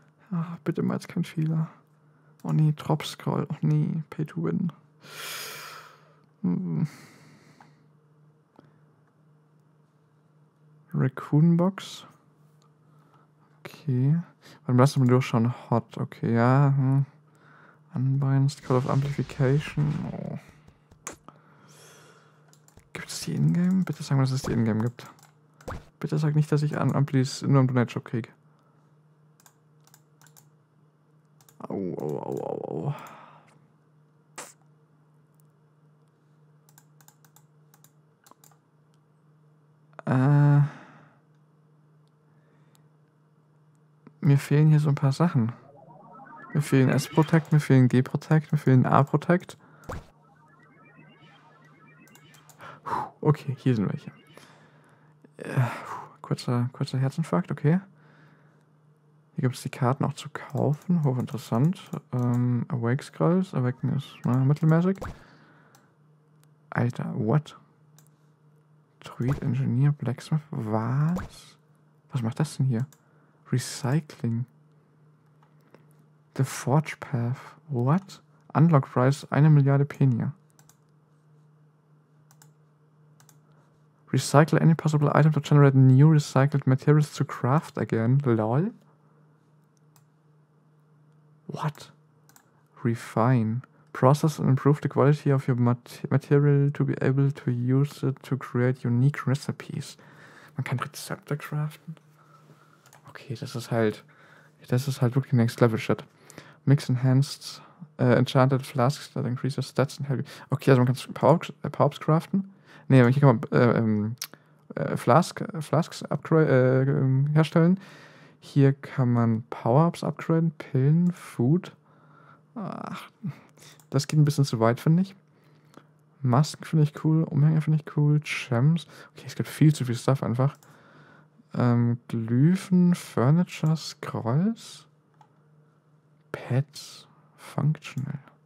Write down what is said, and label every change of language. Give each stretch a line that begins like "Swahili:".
German: Ach, bitte mal jetzt kein Fehler. Oh nee, Drop Scroll. Oh nee, Pay to Win.
English: Raccoon Box. Okay.
German: Warte, lass uns mal durchschauen. Hot. Okay, ja.
English: Unbalanced Call of Amplification. Oh.
German: Gibt es die Ingame? Bitte sag mal, dass es die Ingame gibt. Bitte sag nicht, dass ich an Amplis nur im Donate Shop kriege. Au, au, au, au, au. Mir fehlen hier so ein paar Sachen. Mir fehlen S-Protect, mir fehlen G-Protect, mir fehlen A-Protect. Okay, hier sind welche. Kurzer Herzinfarkt, okay. Hier gibt es die Karten auch zu kaufen, hochinteressant. Awake Scrolls, Awaken ist mittelmäßig. Alter, what? Druid Engineer, Blacksmith, was? Was macht das denn hier? Recycling. The Forge Path. What? Unlock Price 1 Milliarde Penia.
English: Recycle any possible item to generate new recycled materials to craft again. Lol. What? Refine. Process and improve the quality of your material to be able to use it to create unique recipes.
German: Man kann Rezepte craften. Okay, das ist halt wirklich next level shit.
English: Mix enhanced enchanted flasks that increase your stats and heavy.
German: Okay, also man kann Pops craften. Nee, hier kann man Flasks herstellen. Hier kann man Power-Ups upgraden, Pillen, Food. Ach, das geht ein bisschen zu weit, finde ich. Masken finde ich cool, Umhänge finde ich cool, Gems. Okay, es gibt viel zu viel Stuff einfach. Glyphen, Furniture, Scrolls, Pets, Functional.